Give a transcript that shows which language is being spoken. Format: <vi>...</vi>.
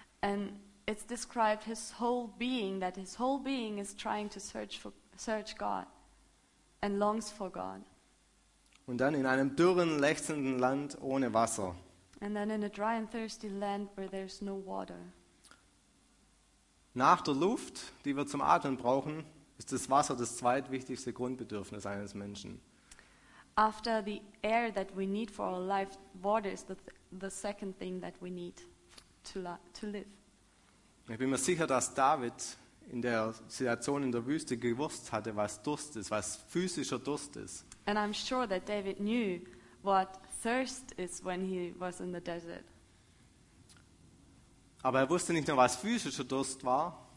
<en>And it's described his whole being, that his whole being is trying to search God and longs for God.</en> <de>Und dann in einem dürren, lechzenden Land ohne Wasser.</de> <en>And then in a dry and thirsty land where there's no water.</en> <de>Nach der Luft, die wir zum Atmen brauchen, ist das Wasser das zweitwichtigste Grundbedürfnis eines Menschen.</de> <en>After the air that we need for our life, water is the second thing that we need to live.</en> <de>Ich bin mir sicher, dass David in der Situation in der Wüste gewusst hatte, was Durst ist, was physischer Durst ist.</de> <en>And I'm sure that David knew what thirst is when he was in the desert.</en> <de>Aber er wusste nicht nur, was physischer Durst war.</de>